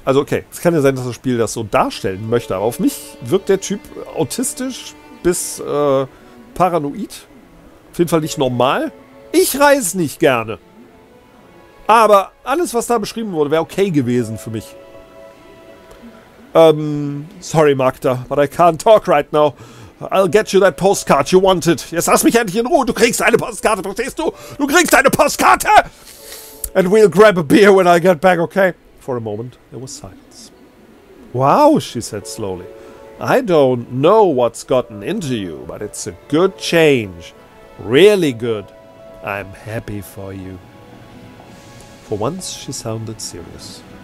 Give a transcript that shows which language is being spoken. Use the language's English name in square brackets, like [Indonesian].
[German] Also okay, es kann ja sein, dass das Spiel das so darstellen möchte, aber auf mich wirkt der Typ autistisch bis paranoid. Auf jeden Fall nicht normal. Ich reise nicht gerne. Aber alles, was da beschrieben wurde, wäre okay gewesen für mich. [English] Sorry, Magda, but I can't talk right now. I'll get you that postcard you wanted. [German] Jetzt lass mich endlich in Ruhe. Du kriegst eine Postkarte, verstehst du? Du kriegst eine Postkarte! [English] And we'll grab a beer when I get back, okay? For a moment, there was silence. Wow, she said slowly. I don't know what's gotten into you, but it's a good change. Really good. I'm happy for you. For once, she sounded serious.